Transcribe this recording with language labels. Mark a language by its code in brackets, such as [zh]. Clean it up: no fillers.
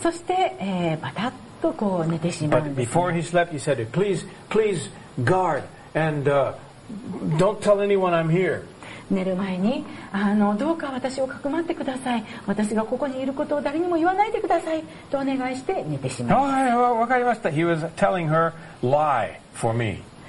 [ja] そして、バタッとこう寝てしまうんです、ね。 [en] But before he slept, he said, please, please. Guard and don't tell anyone I'm here. [ja] 寝る前にどうか私をかくまってください、私がここにいることを誰にも言わないでくださいとお願いして寝てしまう。はい、わかりました。 [en] He was telling her lie for me.